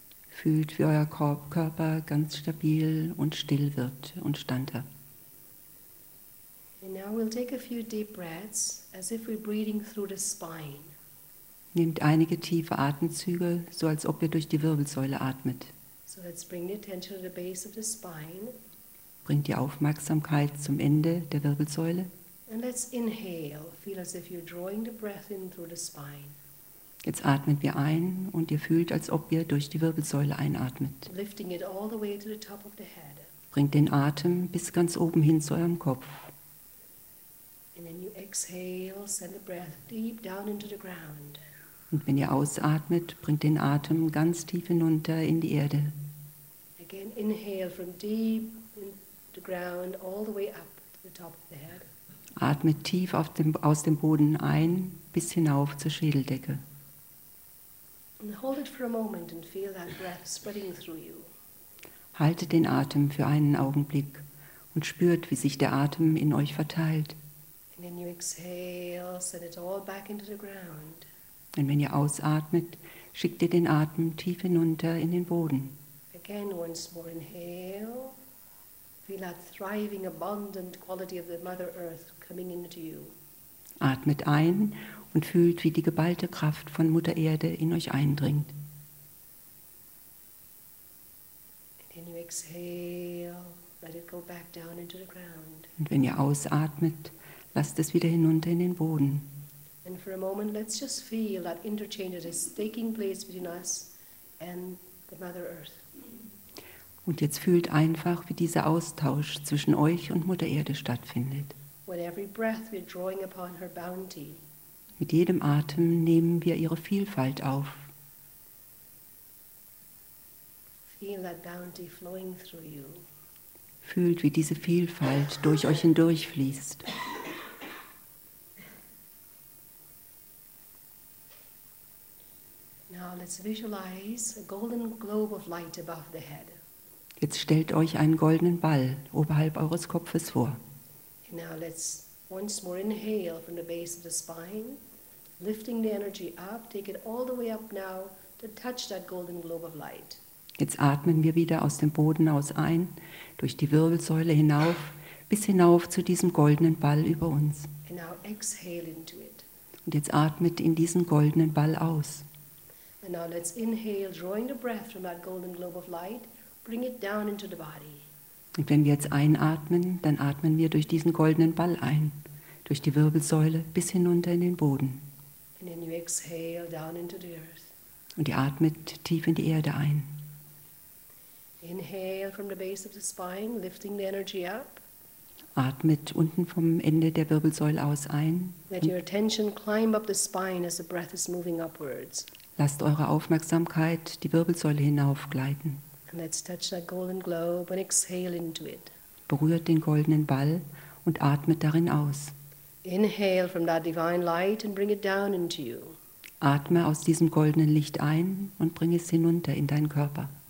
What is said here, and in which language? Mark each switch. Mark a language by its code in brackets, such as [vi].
[de] Fühlt, wie euer Körper ganz stabil und still wird und standhaft. Nehmt einige tiefe Atemzüge, so als ob ihr durch die Wirbelsäule atmet. [en] So let's bring the attention to the base of the spine. [de] Bringt die Aufmerksamkeit zum Ende der Wirbelsäule. [en] And let's inhale, feel as if you're drawing the breath in through the spine. [de] Jetzt atmet ihr ein und ihr fühlt, als ob ihr durch die Wirbelsäule einatmet. [en] Lifting it all the way to the top of the head. [de] Bringt den Atem bis ganz oben hin zu eurem Kopf. [en] And then you exhale, send the breath deep down into the ground. [de] Und wenn ihr ausatmet, bringt den Atem ganz tief hinunter in die Erde. [en] Again, inhale from deep in the ground all the way up to the top of the head. [de] Atmet tief aus dem Boden ein bis hinauf zur Schädeldecke. [en] And hold it for a moment and feel that breath spreading through you. [de] Haltet den Atem für einen Augenblick und spürt, wie sich der Atem in euch verteilt. Und wenn ihr ausatmet, schickt ihr den Atem tief hinunter in den Boden. [en] Again, once more inhale. Feel that thriving, abundant quality of the Mother Earth coming into you. [de] Atmet ein und fühlt, wie die geballte Kraft von Mutter Erde in euch eindringt. [en] And then you exhale. Let it go back down into the ground. [de] Und wenn ihr ausatmet, lasst es wieder hinunter in den Boden. [en] And for a moment, let's just feel that interchange that is taking place between us and the Mother Earth. [de] Und jetzt fühlt einfach, wie dieser Austausch zwischen euch und Mutter Erde stattfindet. [en] With every breath we're drawing upon her bounty. [de] Mit jedem Atem nehmen wir ihre Vielfalt auf. [en] Feel that bounty flowing through you. [de] Fühlt, wie diese Vielfalt durch euch hindurch fließt. [en] Now let's visualize a golden globe of light above the head. [de] Jetzt stellt euch einen goldenen Ball oberhalb eures Kopfes vor. [en] Now let's once more inhale from the base of the spine, lifting the energy up, take it all the way up now to touch that golden globe of light. [de] Jetzt atmen wir wieder aus dem Boden aus ein, durch die Wirbelsäule hinauf, bis hinauf zu diesem goldenen Ball über uns. [en] And now exhale into it. [de] Und jetzt atmet in diesen goldenen Ball aus. [en] And now let's inhale, drawing the breath from that golden globe of light. Bring it down into the body. [de] Und wenn wir jetzt einatmen, dann atmen wir durch diesen goldenen Ball ein, durch die Wirbelsäule bis hinunter in den Boden. [en] And then you exhale down into the earth. [de] Und ihr atmet tief in die Erde ein. [en] Inhale from the base of the spine, lifting the energy up. [de] Atmet unten vom Ende der Wirbelsäule aus ein. [en] Let your attention climb up the spine as the breath is moving upwards. [de] Lasst eure Aufmerksamkeit die Wirbelsäule hinaufgleiten. [en] Let's touch that golden globe and exhale into it. [de] Berührt den goldenen Ball und atmet darin aus. [en] Inhale from that divine light and bring it down into you. [de] Atme aus diesem goldenen Licht ein und bring es hinunter in deinen Körper.